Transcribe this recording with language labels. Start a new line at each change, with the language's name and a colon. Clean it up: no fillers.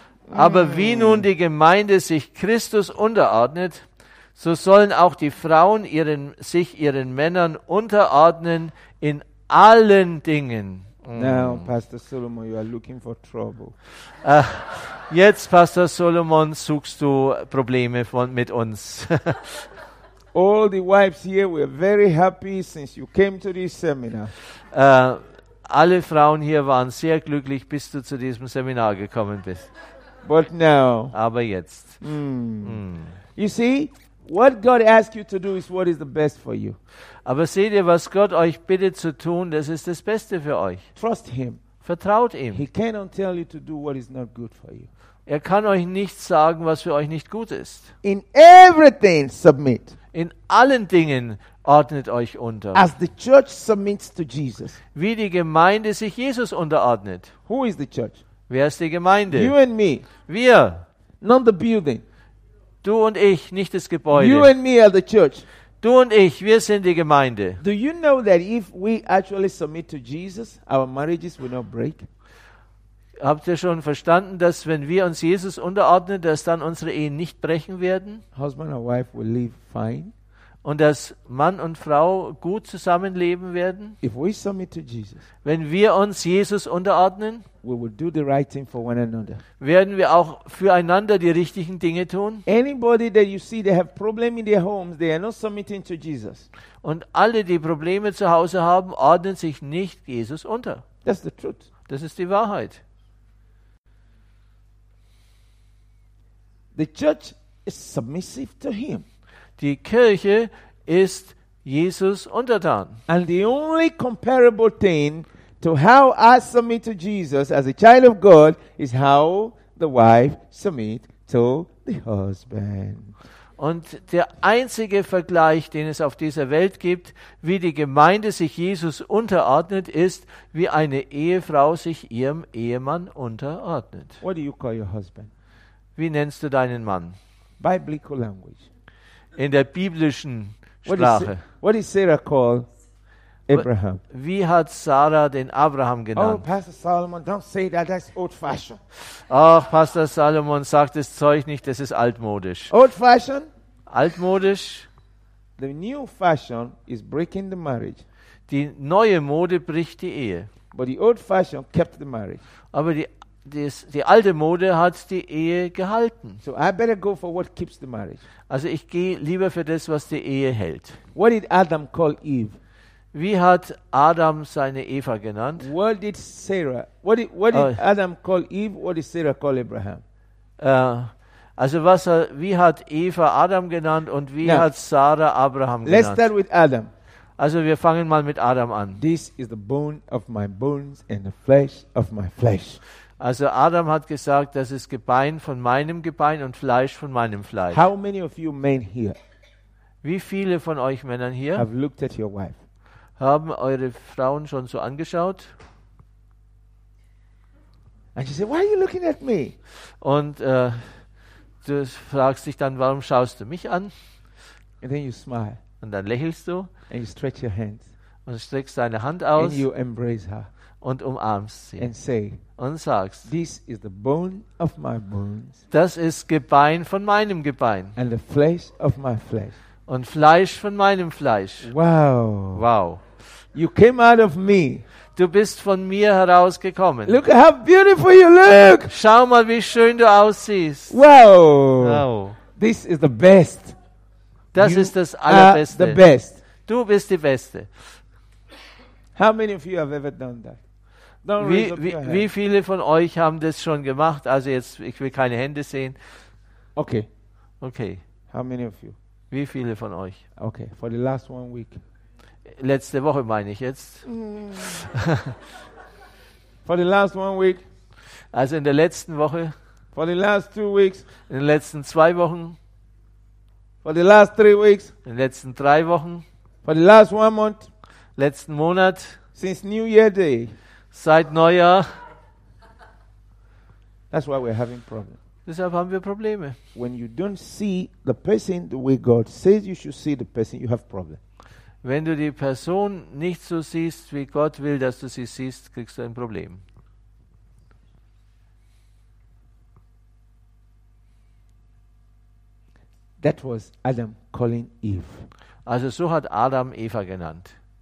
German: Aber wie nun die Gemeinde sich Christus unterordnet, so sollen auch die Frauen ihren Männern unterordnen in allen Dingen.
English: Now, Pastor Solomon, you are looking for trouble.
German: Jetzt, Pastor Solomon, suchst du Probleme mit uns.
English: All the wives here were very happy since you came to this seminar.
German: Alle Frauen hier waren sehr glücklich, bis du zu diesem Seminar gekommen bist.
English: But now.
German: Aber jetzt.
English: You see, what God asks you to do is what is the best for you.
German: Aber seht ihr, was Gott euch bittet zu tun, das ist das Beste für euch.
English: Trust him.
German: Vertraut ihm.
English: He cannot tell you to do what is not good for you.
German: Er kann euch nichts sagen, was für euch nicht gut ist.
English: In everything submit.
German: In allen Dingen ordnet euch unter.
English: As the church submits to Jesus.
German: Wie die Gemeinde sich Jesus unterordnet.
English: Who is the church?
German: Wer ist die Gemeinde?
English: You and me.
German: Wir.
English: Not the building.
German: Du und ich, nicht das Gebäude.
English: You and me are the church.
German: Du und ich, wir sind die Gemeinde.
English: Do you know that if we actually submit to Jesus, our marriages will not break?
German: Habt ihr schon verstanden, dass wenn wir uns Jesus unterordnen, dass dann unsere Ehen nicht brechen werden?
English: Husband and wife will live fine.
German: Und dass Mann und Frau gut zusammenleben werden?
English: If we submit to Jesus,
German: wenn wir uns Jesus unterordnen,
English: we will do the right thing for one another.
German: Werden wir auch füreinander die richtigen Dinge tun?
English: Anybody that you see, they have problems in their homes, they are not submitting to Jesus.
German: Und alle, die Probleme zu Hause haben, ordnen sich nicht Jesus unter.
English: That's the truth.
German: Das ist die Wahrheit.
English: The church is submissive to him.
German: Die Kirche ist Jesus untertan.
English: And the only comparable thing to how I submit to Jesus as a child of God is how the wife submit to the husband.
German: Und der einzige Vergleich, den es auf dieser Welt gibt, wie die Gemeinde sich Jesus unterordnet, ist, wie eine Ehefrau sich ihrem Ehemann unterordnet.
English: What do you call your husband?
German: Wie nennst du deinen Mann?
English: Biblical language.
German: In der biblischen Sprache.
English: What did Sarah call Abraham?
German: Wie hat Sarah den Abraham genannt?
English: Oh, Pastor Solomon, don't say that, that's old fashioned.
German: Ach, Pastor Solomon, sag das Zeug nicht, das ist altmodisch.
English: Old fashioned?
German: Altmodisch.
English: The new fashion is breaking the marriage.
German: Die neue Mode bricht die Ehe.
English: But the old fashion kept the marriage.
German: Aber die alte Mode hat die Ehe gehalten.
English: So I better go for what keeps the marriage.
German: Also ich gehe lieber für das, was die Ehe hält.
English: What did Adam call Eve?
German: Wie hat Adam seine Eva genannt?
English: What did Sarah? What did Adam call Eve? What did Sarah call Abraham?
German: Wie hat Eva Adam genannt und wie
English: Now,
German: hat Sarah Abraham
English: let's
German: genannt?
English: Let's start with Adam.
German: Also wir fangen mal mit Adam an.
English: This is the bone of my bones and the flesh of my flesh.
German: Also Adam hat gesagt, das ist Gebein von meinem Gebein und Fleisch von meinem Fleisch.
English: How many of you men here?
German: Wie viele von euch Männern hier?
English: Have looked at your wife.
German: Haben eure Frauen schon so angeschaut?
English: And you say, why are you looking at me?
German: Und du fragst dich dann, warum schaust du mich an?
English: And then you smile.
German: Und dann lächelst du.
English: And you stretch your hands.
German: Und streckst deine Hand aus.
English: And you embrace her.
German: Und umarmst sie.
English: And say,
German: und sagst,
English: this is the bone of my bones,
German: das ist Gebein von meinem Gebein
English: and the flesh of my flesh.
German: Und Fleisch von meinem Fleisch. Wow. Wow.
English: You came out of me.
German: Du bist von mir herausgekommen.
English: Look at how beautiful you look.
German: Schau mal, wie schön du aussiehst. Wow. Wow.
English: This is the best.
German: Das
English: you
German: ist das Allerbeste.
English: The best.
German: Du bist die Beste.
English: How many of you have ever done that?
German: Wie viele von euch haben das schon gemacht? Also jetzt, ich will keine Hände sehen. Okay. Okay.
English: How many of you?
German: Wie viele von euch?
English: Okay, for the last one week.
German: Letzte Woche meine ich jetzt.
English: For the last one week.
German: Also in der letzten Woche.
English: For the last 2 weeks.
German: In den letzten 2 Wochen.
English: For the last 3 weeks.
German: In den letzten 3 Wochen.
English: For the last 1 month.
German: Letzten Monat.
English: Since New Year Day.
German: Seit Neujahr.
English: That's why we're having problems.
German: Deshalb haben wir Probleme.
English: When you don't see the person the way God says you should see the person, you have problem.
German: Wenn du die Person nicht so siehst, wie Gott will, dass du sie siehst, kriegst du ein Problem.
English: That was Adam calling Eve.
German: Also so hat Adam Eva genannt.